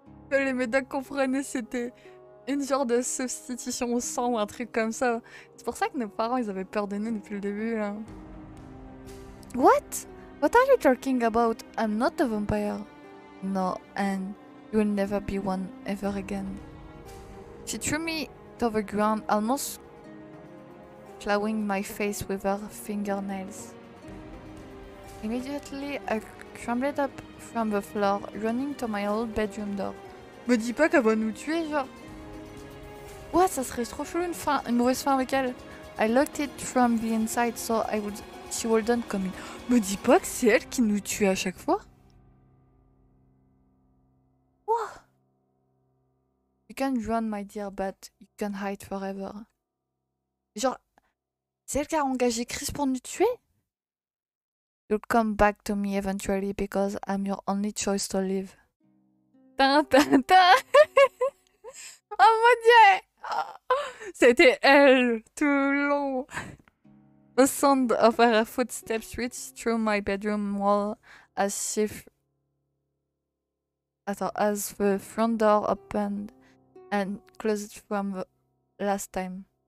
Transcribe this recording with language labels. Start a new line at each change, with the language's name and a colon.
French: Que les médocs comprenaient, c'était une genre de substitution au sang ou un truc comme ça. C'est pour ça que nos parents, ils avaient peur de nous depuis le début, là.
English: What? What are you talking about? I'm not a vampire. No, and you will never be one ever again. She threw me to the ground, almost clawing my face with her fingernails. Immediately, I crumbled up from the floor, running to my old bedroom door.
French: Me dis pas qu'elle va nous tuer, genre.
English: What?
French: Ça serait trop chelou une mauvaise fin avec elle.
English: I locked it from the inside so I would. She wouldn't come in.
French: Me dis pas que c'est elle qui nous tue à chaque fois.
English: What? You can run, my dear, but you can hide forever.
French: Genre, c'est elle qui a engagé Chris pour nous tuer?
English: You'll come back to me eventually because I'm your only choice to live.
French: Tintintin! Oh mon dieu! C'était elle tout le long.
English: The sound of her footsteps reached through my bedroom wall as the front door opened and closed from the last time.